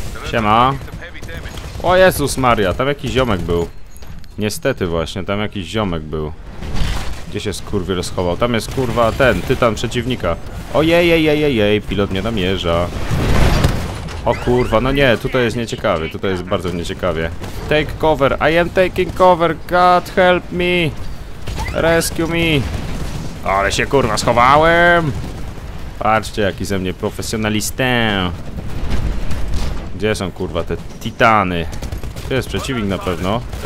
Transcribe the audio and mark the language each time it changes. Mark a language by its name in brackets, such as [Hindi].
[Polish] Siema. O Jezus Maria, tam jakiś ziomek był. Niestety właśnie, tam jakiś ziomek był. Gdzie się skurwiel schował? Tam jest, kurwa, ten tytan przeciwnika. Ojej, pilot mnie namierza. O kurwa, no nie, tutaj jest nieciekawie, tutaj jest bardzo nieciekawie. [English] Take cover, I am taking cover, God help me. Rescue me. [Polish] Ale się, kurwa, schowałem. Patrzcie, jaki ze mnie profesjonalistę. Gdzie są, kurwa, te titany? To jest przeciwnik na pewno.